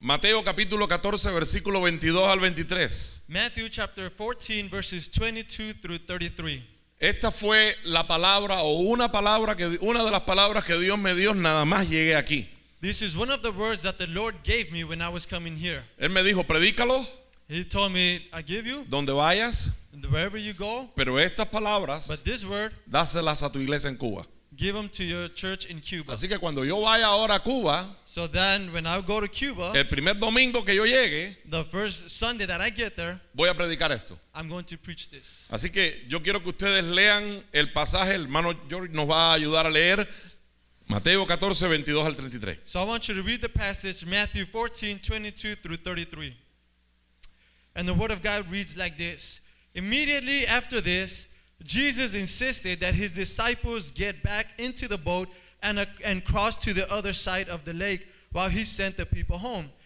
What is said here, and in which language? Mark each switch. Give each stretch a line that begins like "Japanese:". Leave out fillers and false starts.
Spanish: Mateo capítulo 14 versículo 22 al 23.
English: Matthew chapter 14 verses 22 through 33.
Spanish: Esta fue la palabra o una palabra que una de las palabras que Dios me dio nada más llegué aquí.
English: This is one of the words that the Lord gave me when I was coming here.
Spanish: Él me dijo, "Predícalo."
English: He told me, "I give you."
Spanish: Donde vayas.
English: Wherever you go.
Spanish: Pero estas palabras.
English: But this word.
Spanish: Dáselas a tu iglesia en Cuba.
English: Give them to your church in Cuba.
Spanish: Así que cuando yo vaya ahora a Cuba.
English: So then when I go to Cuba.
Spanish: El primer domingo que yo llegue.
English: The first Sunday that I get there.
Spanish: Voy a predicar esto.
English: I'm going to preach this.
Spanish: Así que yo quiero que ustedes lean el pasaje. El hermano George nos va a ayudar a leer. Mateo 14, 22 al 33.
English: So I want you to read the passage, Matthew 14, 22 through 33. And the word of God reads like this. Immediately after this, Jesus insisted that his disciples get back into the boat and cross to the other side of the lake while he sent the people home.